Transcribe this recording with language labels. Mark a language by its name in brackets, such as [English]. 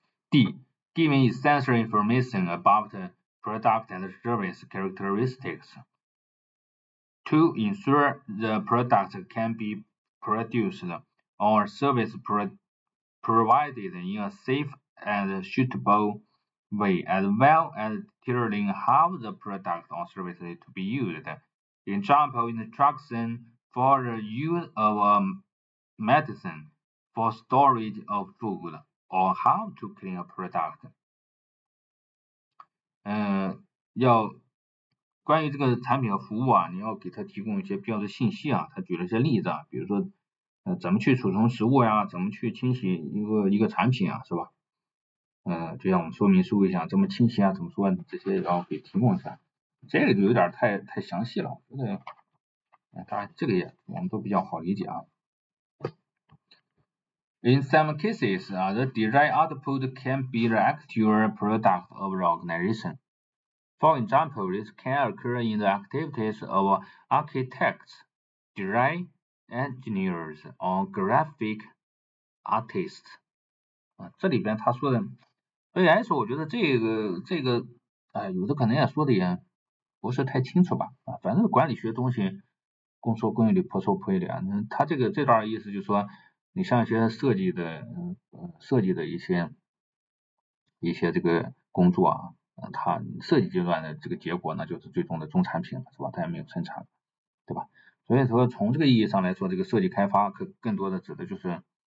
[English] D, giving essential information about product and service characteristics to ensure the product can be produced or service provided in a safe and suitable way, as well as clearing how the product or service is to be used. Example, instruction for the use of a medicine for storage of food or how to clean a product. [Chinese] 要关于这个产品和服务啊，你要给他提供一些必要的信息啊。他举了一些例子啊，比如说怎么去储存食物呀，怎么去清洗一个产品啊，是吧？就像我们说明书一样，这么清晰啊，怎么说这些然后给提供一下，这个就有点太详细了，这个当然这个也我们都比较好理解啊。 [English] In some cases, the desired output can be the actual product of the organization. For example, this can occur in the activities of architects, design engineers, or graphic artists. [Chinese] 这里边他说的。 AS 我觉得这个有的可能也说的也不是太清楚吧，反正管理学东西公说公有理婆说婆有理啊，他这个这段意思就是说你像一些设计的一些这个工作啊，他设计阶段的这个结果呢就是最终的中产品是吧，他也没有生产对吧，所以说从这个意义上来说这个设计开发可更多的指的就是